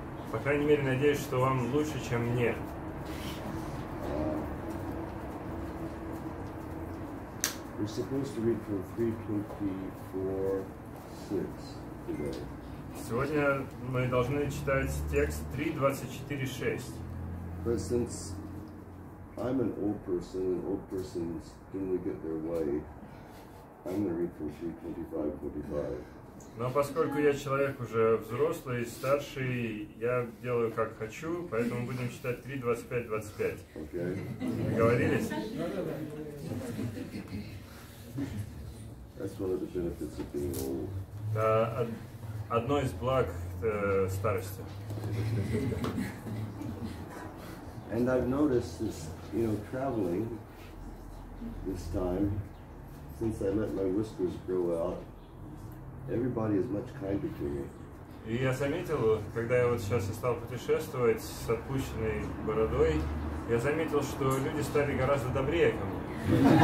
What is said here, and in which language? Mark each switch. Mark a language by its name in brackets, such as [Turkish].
[Russian] По крайней мере, надеюсь, что вам лучше, чем мне. Сегодня мы должны читать текст 3.24.6. [English] But since I'm an old person and old persons generally get their way, I'm going to read from 3.25.45. [Russian] Но поскольку я человек уже взрослый, старший, я делаю как хочу, поэтому будем читать 3.25.25. [English] Okay. [Russian] Договорились? [English] That's one of the benefits of being old. [Russian] Одно из благ старости. [English] And I've noticed this, you know, traveling this time, since I let my whiskers grow out, everybody is much kinder to me. [Russian] И я заметил, когда я вот сейчас стал путешествовать с отпущенной бородой, я заметил, что люди стали гораздо добрее ко мне.